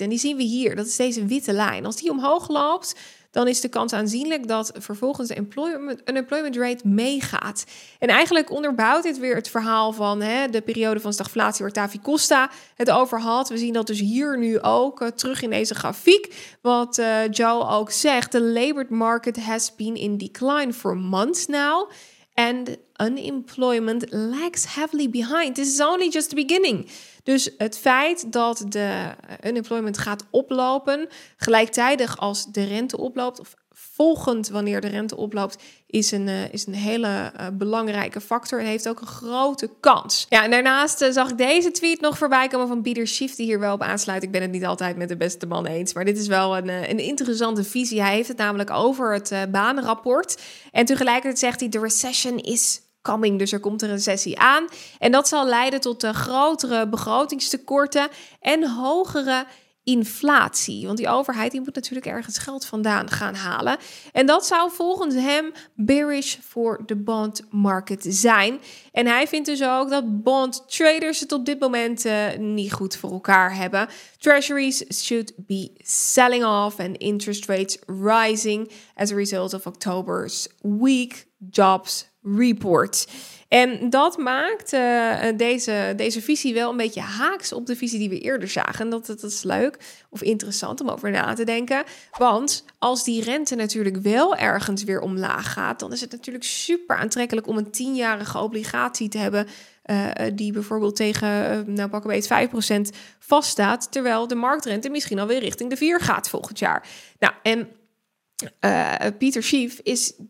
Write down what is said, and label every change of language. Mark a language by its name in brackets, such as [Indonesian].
[Dutch] En die zien we hier, dat is deze witte lijn. Als die omhoog loopt, dan is de kans aanzienlijk dat vervolgens de unemployment rate meegaat. En eigenlijk onderbouwt dit weer het verhaal van de periode van stagflatie waar Tavi Costa het over had. We zien dat dus hier nu ook terug in deze grafiek. Wat Joe ook zegt, [English] the labor market has been in decline for months now. And unemployment lags heavily behind. This is only just the beginning. [Dutch] Dus het feit dat de unemployment gaat oplopen, gelijktijdig als de rente oploopt, of volgend wanneer de rente oploopt, is een hele belangrijke factor en heeft ook een grote kans. Ja, en daarnaast zag ik deze tweet nog voorbij komen van Peter Schiff, die hier wel op aansluit. Ik ben het niet altijd met de beste man eens, maar dit is wel een interessante visie. Hij heeft het namelijk over het banenrapport. En tegelijkertijd zegt hij, de [English] recession is coming. [Dutch] Dus er komt een recessie aan. En dat zal leiden tot grotere begrotingstekorten en hogere inflatie. Want die overheid die moet natuurlijk ergens geld vandaan gaan halen. En dat zou volgens hem bearish voor de bond market zijn. En hij vindt dus ook dat bond traders het op dit moment niet goed voor elkaar hebben. [English] Treasuries should be selling off and interest rates rising as a result of October's weak jobs report. [Dutch] En dat maakt deze visie wel een beetje haaks op de visie die we eerder zagen. Dat is leuk of interessant om over na te denken. Want als die rente natuurlijk wel ergens weer omlaag gaat, dan is het natuurlijk super aantrekkelijk om een 10-jarige obligatie te hebben die bijvoorbeeld tegen, pakken we eens 5% vaststaat, terwijl de marktrente misschien alweer richting de 4 gaat volgend jaar. Nou, en Peter Schiff is